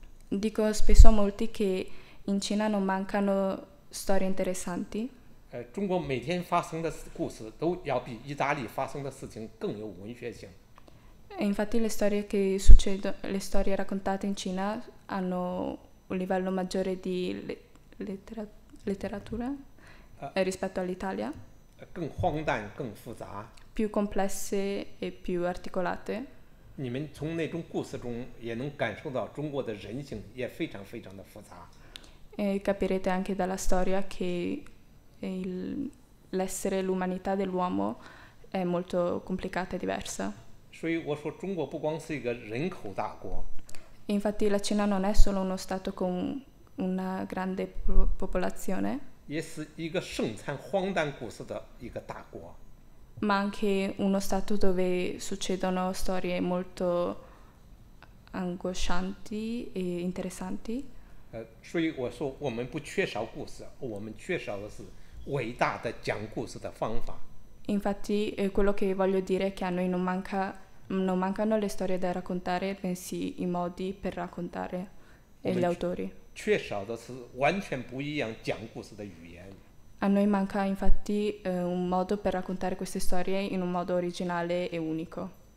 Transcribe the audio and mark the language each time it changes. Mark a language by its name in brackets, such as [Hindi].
[Italian] Dico spesso a molti che in Cina non mancano storie interessanti. [Chinese] 中国每天发生的故事都要比意大利发生的事情更有文学性。 [Italian] E infatti le storie raccontate in Cina hanno un livello maggiore di letteratura rispetto all'Italia. [Chinese] 更荒诞，更复杂。 [Italian] Più complesse e più articolate. [Chinese] 你们从那种故事中也能感受到中国的人性也非常非常的复杂。 [Italian] E capirete anche dalla storia che l'essere, l'umanità dell'uomo è molto complicata e diversa. [Chinese] 所以我说中国不光是一个人口大国。 [Italian] Infatti la Cina non è solo uno stato con una grande popolazione, [Chinese] 也是一个盛产荒诞故事的一个大国。 [Italian] Ma anche uno stato dove succedono storie molto angoscianti e interessanti. [Chinese] 所以我说我们不缺少故事，我们缺少的是伟大的讲故事的方法。 [Italian] Infatti, quello che voglio dire è che a noi non mancano le storie da raccontare, bensì i modi per raccontare e gli autori. [Chinese] 缺少的是完全不一样讲故事的语言。 [Italian] A noi manca infatti un modo per raccontare queste storie in un modo originale e unico.